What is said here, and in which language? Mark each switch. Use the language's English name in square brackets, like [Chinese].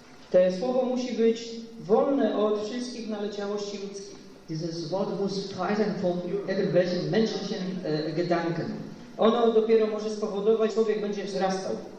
[Polish] To słowo musi być wolne od wszystkich naleciałości ludzkich. [German] Dieses Wort muss frei sein von irgendwelchen menschlichen Gedanken. [Polish] Ono dopiero może spowodować, człowiek będzie wzrastał.